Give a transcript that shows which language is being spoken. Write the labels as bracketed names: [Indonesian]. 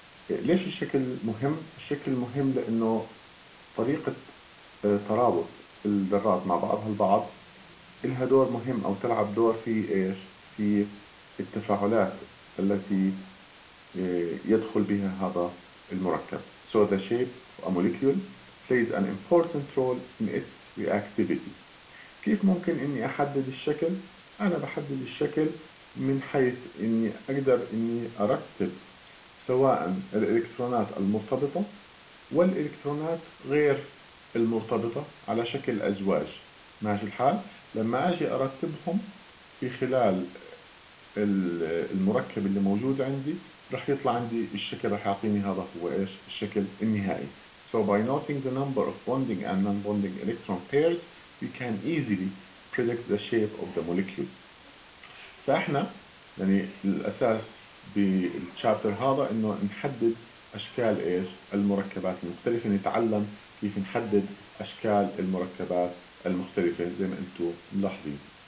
[Arabic] ليش الشكل مهم؟ الشكل مهم لأنه طريقة ترابط الذرات مع بعضها البعض لها دور مهم أو تلعب دور في إيش؟ في التفاعلات التي يدخل بها هذا المركب. [English] So the shape of a molecule plays an important role in its reactivity. [Arabic] كيف ممكن إني أحدد الشكل؟ أنا بحدد الشكل من حيث اني اقدر اني ارتب سواء الالكترونات المرتبطة والالكترونات غير المرتبطة على شكل ازواج. ماشي الحال؟ لما اجي ارتبهم في خلال المركب اللي موجود عندي رح يطلع عندي الشكل، رح يعطيني هذا هو ايش الشكل النهائي. [English] So by noting the number of bonding and non-bonding electron pairs we can easily predict the shape of the molecule. [Arabic] فاحنا يعني الاساس بالشابتر هذا انه نحدد اشكال ايش المركبات المختلفه، نتعلم كيف نحدد اشكال المركبات المختلفه زي ما انتم ملاحظين.